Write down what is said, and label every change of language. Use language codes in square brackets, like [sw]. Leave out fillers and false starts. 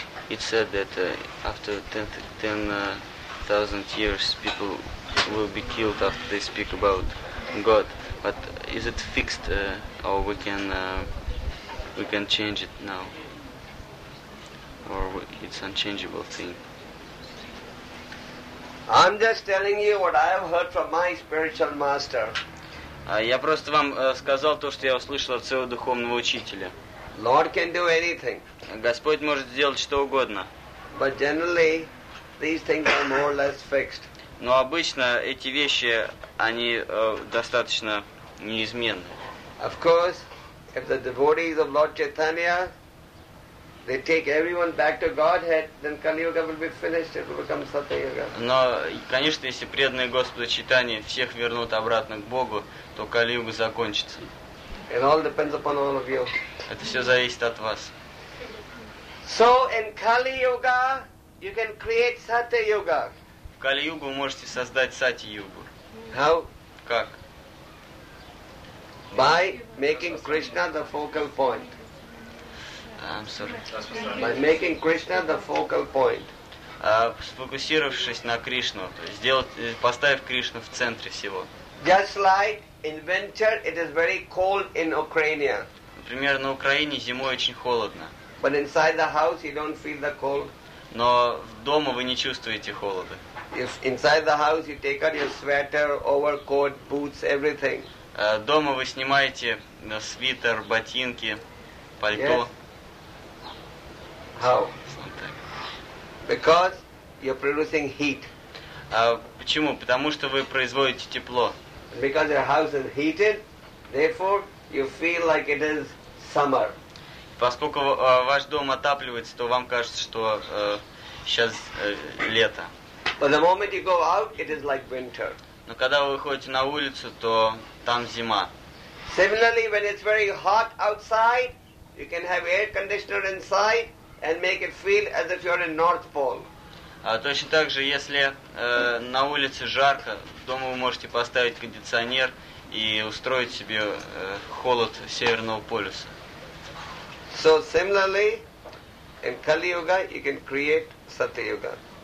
[en] It said that after 10,000 years, people will be killed after they speak about God. But is it fixed, or we can change it now, or it's unchangeable thing? I'm just telling you what I have heard from my spiritual master. [ru] Я просто вам сказал то, что я услышал от своего духовного учителя. [en] Lord can do anything. [ru] Господь может сделать что угодно. [en] But generally, these things are more or less fixed. [ru] Но обычно эти вещи они достаточно неизменны. [en] Of course, if the devotees of Lord Chaitanya, they take everyone back to Godhead, then Kali Yuga will be finished. It will become Satya Yuga. [ru] Но конечно, если преданные Господу Чайтанья всех вернут обратно к Богу, то Кали Юга закончится. [en] It all depends upon all of you. [ru] Это все зависит от вас. [en] So in Kali Yuga, you can create Satya Yuga. [ru] В Кали Югу можете создать Сати Югу. [en] How? [ru] Как? [en] By making Krishna the focal point. I'm sorry. By making Krishna the focal point. [ru] Сфокусировавшись на Кришну, поставив Кришну в центре всего. [en] Just like in winter, it is very cold in Ukraine. [ru] Например, на Украине зимой очень холодно. [en] But inside the house, you don't feel the cold. [ru] Но дома вы не чувствуете холода. [en] If inside the house, you take out your sweater, overcoat, boots, everything. [ru] Дома вы снимаете свитер, ботинки, пальто. [en] Yes. How? Because you're producing heat. [ru] Почему? Потому что вы производите тепло. [en] Because your house is heated, therefore you feel like it is summer. [ru] Поскольку ваш дом отапливается, то вам кажется, что сейчас лето. [en] But the moment you go out, it is like winter. [ru] Но когда вы выходите на улицу, то там зима. [en] Similarly, when it's very hot outside, you can have air conditioner inside and make it feel as if you're in North Pole. [ru] Точно так же, если на улице жарко, дома вы можете поставить кондиционер и устроить себе холод Северного полюса. [en] So similarly, in Kali Yuga you can create Satya Yuga.